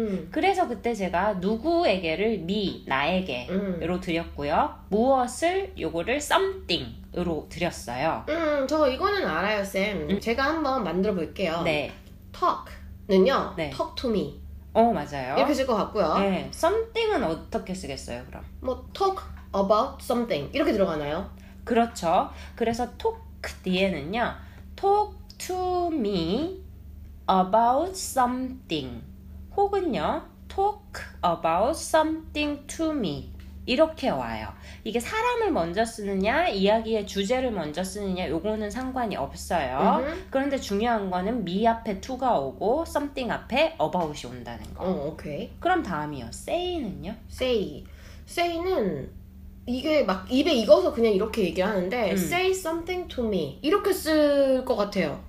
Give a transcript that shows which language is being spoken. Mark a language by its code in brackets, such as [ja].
[ko] 그래서 그때 제가 누구에게를 me, 나에게로 드렸고요, 무엇을 요거를 something으로 드렸어요. 저 이거는 알아요 쌤. 제가 한번 만들어 볼게요. 네. talk는요, 네. [en] talk to me. [ko] 맞아요. 이렇게 쓸 것 같고요. 네. something은 어떻게 쓰겠어요, 그럼? 뭐, [en] talk about something. [ko] 이렇게 들어가나요? 그렇죠. 그래서 talk 뒤에는요, [en] talk to me about something. [ko] 혹은요, [en] talk about something to me. [ko] 이렇게 와요. 이게 사람을 먼저 쓰느냐, 이야기의 주제를 먼저 쓰느냐, 요거는 상관이 없어요. 그런데 중요한 거는 me 앞에 to가 오고 something 앞에 about이 온다는 거. 오케이. 그럼 다음이요. say는요? [en] say. [ko] say는 이게 막 입에 익어서 그냥 이렇게 얘기를 하는데 [en] say something to me [ko] 이렇게 쓸 것 같아요.